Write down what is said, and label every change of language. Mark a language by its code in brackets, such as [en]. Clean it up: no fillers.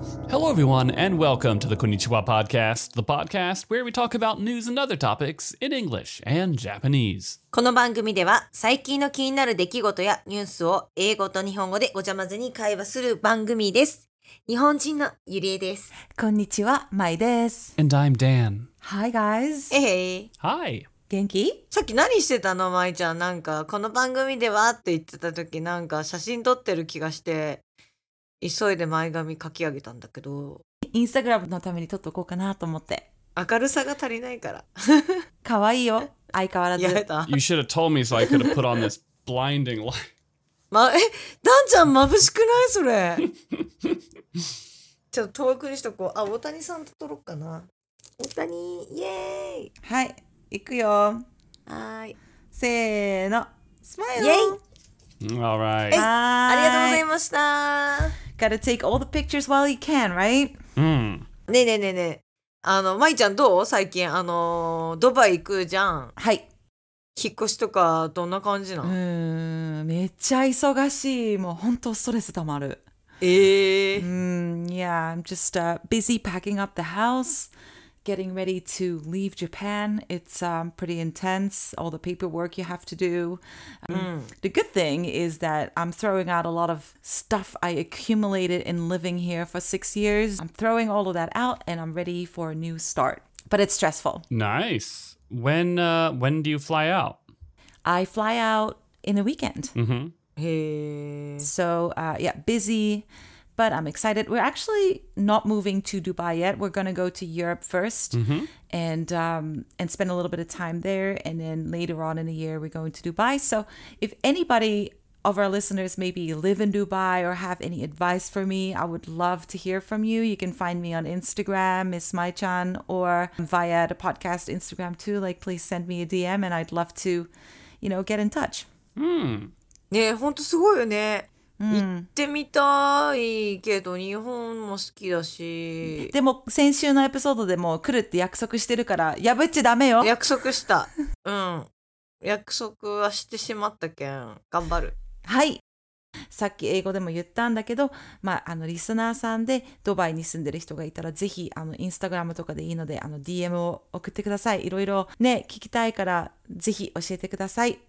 [en] Hello, everyone, and welcome to the Konnichiwa Podcast, the podcast where we talk about news and other topics in English and Japanese. [ja] この番組では最近の気になる出来事やニュースを英語と日本語でごちゃまぜに会話する番組です。日本人のゆりえです。こんにちは、まいです。 [en] And I'm Dan. Hi, guys. Hey. Hi. [ja] 元気？さっき何してたの、まいちゃん。なんかこの番組ではって言ってた時、なんか写真撮ってる気がして急いで前髪かき上げたんだけど、インスタグラムのために撮っとこうかなと思って。明るさが足りないから可愛いよ、相変わらず。やれた。 [en] You should have told me so I could have put on this blinding light。 [ja] ま、え、ダンちゃん眩しくないそれ。ちょっと遠くにしとこう。あ、大谷さんと撮ろうかな。大谷、イエーイ。はい、行くよ。はい。せーの、スマイル。イエイ。 [en] All right. [ja] はい。ありがとうございました。 [en] Gotta take all the pictures while you can, right? [ja] うん。ねえねえねえねえ。あの、まいちゃんどう？最近ドバイ行くじゃん。はい。引っ越しとかどんな感じなの？めっちゃ忙しい。もう本当ストレスたまる。 [en] Yeah, I'm just busy packing up the house. Getting ready to leave Japan. It's pretty intense, all the paperwork you have to do. The good thing is that I'm throwing out a lot of stuff I accumulated in living here for 6 years. I'm throwing all of that out and I'm ready for a new start. But it's stressful. Nice. When do you fly out? I fly out in the weekend. Mm-hmm. Hey. So, yeah, busy. But I'm excited. We're actually not moving to Dubai yet. We're going to go to Europe first, mm-hmm. and spend a little bit of time there. And then later on in the year, we're going to Dubai. So if anybody of our listeners maybe live in Dubai or have any advice for me, I would love to hear from you. You can find me on Instagram, Miss Mai-chan, or via the podcast Instagram too. Like, please send me a DM and I'd love to, you know, get in touch. Hmm. Yeah, [ja] 本当すごいよね。行ってみたいけど、日本も好きだし。でも先週のエピソードでも来るって約束してるから破っちゃダメよ。約束した。うん、約束はしてしまったけん頑張る。はい、さっき英語でも言ったんだけど、まあ、あのリスナーさんでドバイに住んでる人がいたら、ぜひあのインスタグラムとかでいいので、あの DM を送ってください。いろいろね、聞きたいからぜひ教えてください。